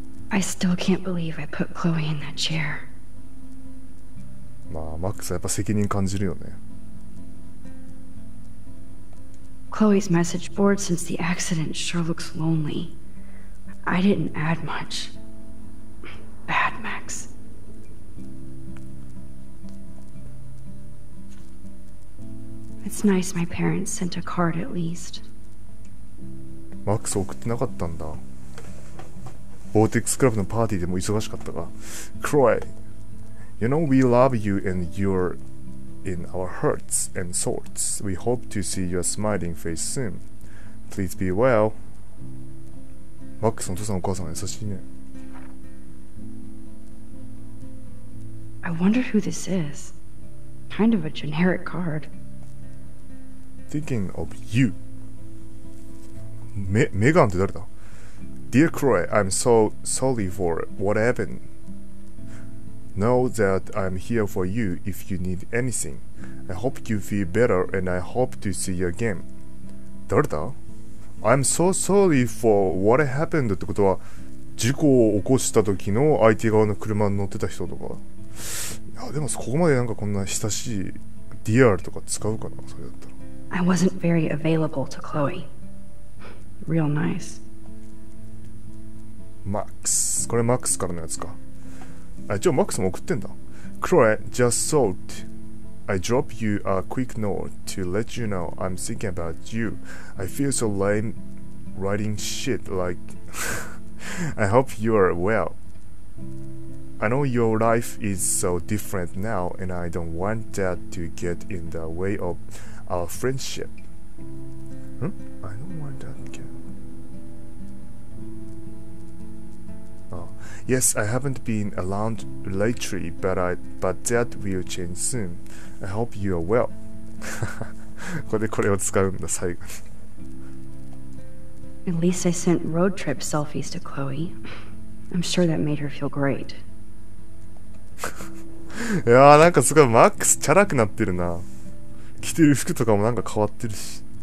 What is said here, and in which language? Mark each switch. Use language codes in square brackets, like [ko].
[en] I still can't believe I put Chloe in that chair. [ja] まあ、マックスはやっぱ責任感じるよね。 [en] Chloe's message board since the accident sure looks lonely. I didn't add much. Bad, Max. It's nice my parents sent a card at least. [ja] Max 送ってなかったんだ。ボーティックスクラブのパーティーでも忙しかったか。 [en] Chloe, you know we love you and your... In our hearts and souls, we hope to see your smiling face soon. Please be well. [ja] Max, お父さんお母さん優しいね。 [en] I wonder who this is. Kind of a generic card. Thinking of you. Megan, who is that? Dear Croy, I'm so sorry for what happened. Know that I'm here for you if you need anything. I hope you feel better and I hope to see you again. Delta? I'm so sorry for what happened. [ja] ってことは、事故を起こした時の相手側の車に乗ってた人とか。いや、でもここまでなんかこんな親しい DR とか使うかな、それだったら。 [en] I wasn't very available to Chloe. Real nice. [ja] Max. これ Max からのやつか。あ、じゃあ Max も送ってんだ。 [en] Chloe, just thought. I drop you a quick note to let you know I'm thinking about you. I feel so lame writing shit like I hope you are well. I know your life is so different now and I don't want that to get in the way of our friendship. I don't want that to get... Oh. Yes, I haven't been around lately, but that will change soon. I hope you are well. [ja] これを使うんだ、最後に。 [en] At least I sent road trip selfies to Chloe. I'm sure that made her feel great. [ja] いやー、なんかすごいマックスチャラくなってるな。着てる服とかもなんか変わってるし。